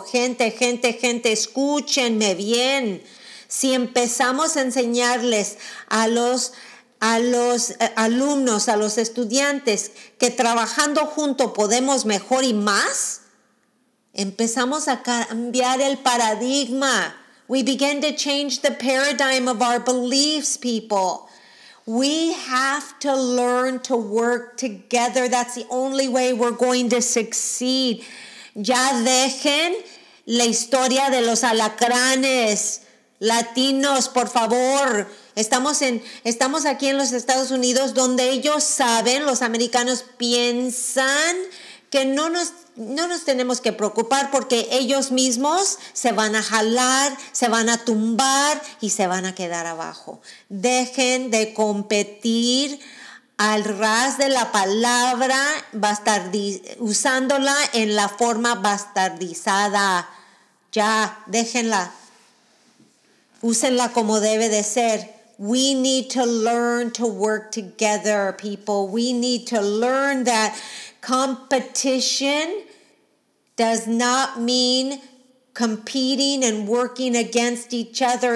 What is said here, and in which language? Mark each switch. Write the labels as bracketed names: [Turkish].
[Spanish] Gente, escúchenme bien. Si empezamos a enseñarles a los a los alumnos, a los estudiantes, que trabajando junto podemos mejor y más, empezamos a cambiar el paradigma. [English] We begin to change the paradigm of our beliefs, people. We have to learn to work together. That's the only way we're going to succeed. [Spanish] Ya dejen la historia de los alacranes latinos, por favor. Estamos aquí en los Estados Unidos, donde ellos saben, los americanos piensan que no nos tenemos que preocupar porque ellos mismos se van a jalar, se van a tumbar y se van a quedar abajo. Dejen de competir al ras de la palabra usándola en la forma bastardizada. Ya, déjenla. Úsenla como debe de ser. [English] We need to learn to work together, people. We need to learn that competition does not mean competing and working against each other.